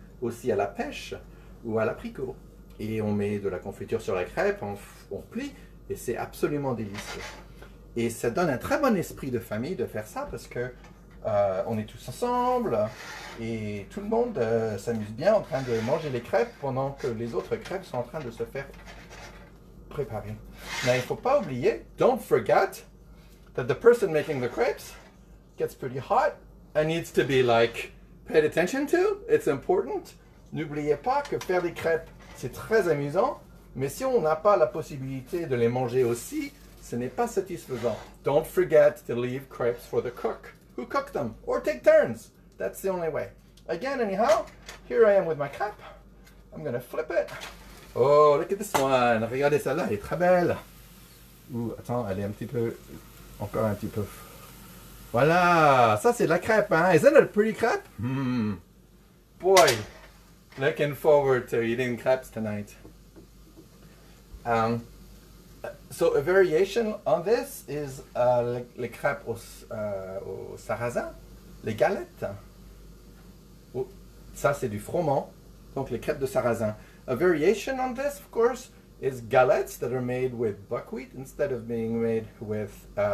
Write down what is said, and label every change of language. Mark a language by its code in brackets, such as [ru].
[fr] Aussi à la pêche ou à l'apricot. Et on met de la confiture sur la crêpe, on plie, et c'est absolument délicieux. Et ça donne un très bon esprit de famille de faire ça, parce que on est tous ensemble, et tout le monde s'amuse bien en train de manger les crêpes pendant que les autres crêpes sont en train de se faire préparer. Mais il ne faut pas oublier, [en] don't forget, that the person making the crepes gets pretty hot and needs to be like, pay attention to, it's important. [fr] N'oubliez pas que faire des crêpes, c'est très amusant, mais si on n'a pas la possibilité de les manger aussi, ce n'est pas satisfaisant. [en] Don't forget to leave crepes for the cook who cooked them, or take turns. That's the only way. Again, anyhow, here I am with my crepe. I'm gonna flip it. Oh, look at this one. [fr] Regardez celle-là, elle est très belle. Ouh, attends, elle est un petit peu, encore un petit peu. Voilà, ça c'est de la crêpe, hein? [en] Isn't it a pretty crêpe? Boy, looking forward to eating crêpes tonight. So a variation on this is [fr] les crêpes au sarrasin, les galettes. Oh, ça c'est du froment, donc les crêpes de sarrasin. [en] A variation on this, of course, is galettes that are made with buckwheat instead of being made with